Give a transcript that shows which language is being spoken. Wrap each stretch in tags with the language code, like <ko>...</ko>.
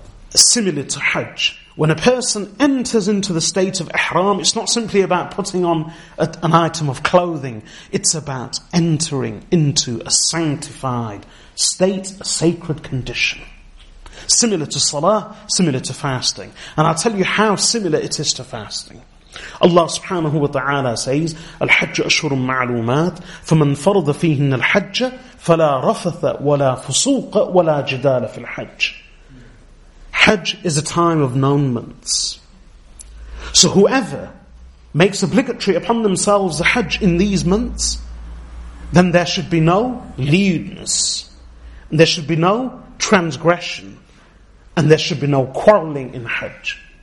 <en>Similar to Hajj, when a person enters into the state of ihram, it's not simply about putting on an item of clothing, it's about entering into a sanctified state, a sacred condition. Similar to salah, similar to fasting. And I'll tell you how similar it is to fasting. Allah subhanahu wa ta'ala says,</en> <ar>الحج أشهر معلومات فمن فرض فيهن الحج فلا رفث ولا فسوق ولا جدال في الحج.</ar> <en>Hajj is a time of known months. So whoever makes obligatory upon themselves the Hajj in these months, then there should be no lewdness, and there should be no transgression, and there should be no quarrelling in Hajj.</en>